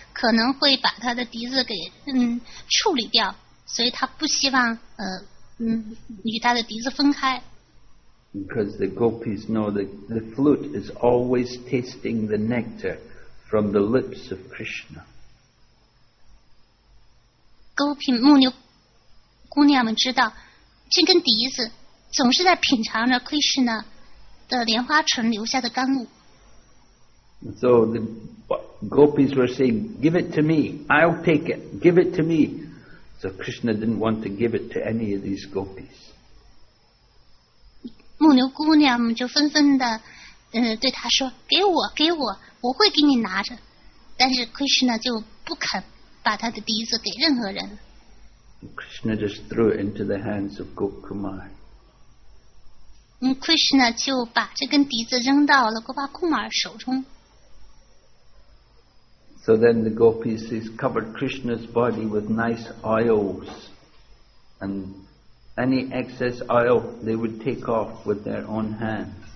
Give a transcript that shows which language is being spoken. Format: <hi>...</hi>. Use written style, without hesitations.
<zh>可能会把他的笛子给处理掉，所以他不希望与他的笛子分开。</zh> <en>Because the gopis know that the flute is always tasting the nectar from the lips of Krishna.</en> <zh>Gopi 牧牛姑娘们知道，这根笛子总是在品尝着 Krishna 的莲花唇留下的甘露。</zh> <en>So the gopis were saying, give it to me, I'll take it, give it to me. So Krishna didn't want to give it to any of these gopis.</en> <zh>牧牛姑娘们就纷纷的对他说，给我给我，我会给你拿着。但是 Krishna 就不肯把他的笛子给任何人。</zh> <en>Krishna just threw it into the hands of Gopakumar.</en> <zh>Krishna 就把这根笛子扔到了 Gopakumar 手中。</zh> <en>So then the gopis covered Krishna's body with nice oils, and any excess oil they would take off with their own hands.</en>